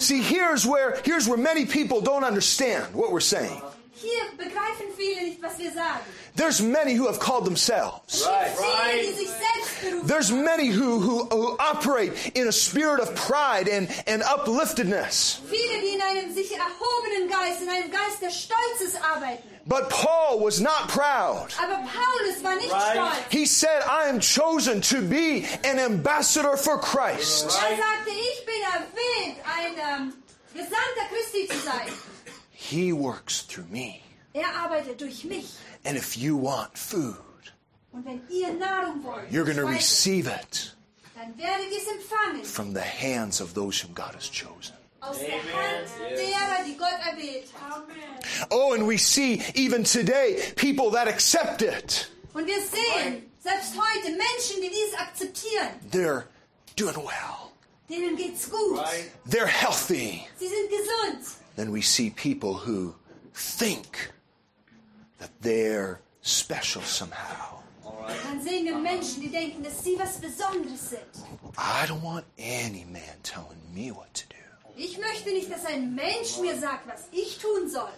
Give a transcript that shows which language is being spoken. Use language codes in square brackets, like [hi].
[en] See, here's where many people don't understand what we're saying. [de] Hier begreifen viele nicht, was wir sagen. [en] There's many who have called themselves. Right. There's many who operate in a spirit of pride and upliftedness. [de] Viele, die in einem sich erhobenen Geist, in einem Geist des Stolzes arbeiten. [en] But Paul was not proud. [de] Aber Paulus war nicht stolz. [en] Right. He said, I am chosen to be an ambassador for Christ. Right. [de] Er sagte, ich bin erwählt, ein Gesandter Christi zu sein. [en] He works through me. [de] Er arbeitet durch mich. [en] And if you want food, [de] und wenn ihr Nahrung wollt, [en] you're going to receive it [de] dann werde ich es empfangen. [en] From the hands of those whom God has chosen. [de] Aus der Hand derer, die Gott erwählt. Amen. [en] Oh, and we see even today people that accept it. [de] Und wir sehen selbst heute Menschen, die dies akzeptieren. [en] They're doing well. [de] Denen geht's gut. [en] Right. They're healthy. [de] Sie sind gesund. [en] Then we see people who think that they're special somehow. [de] Dann sehen wir Menschen, die denken, dass sie was Besonderes sind. [en] I don't want any man telling me what to do. [de] Ich möchte nicht, dass ein Mensch mir sagt, was ich tun soll.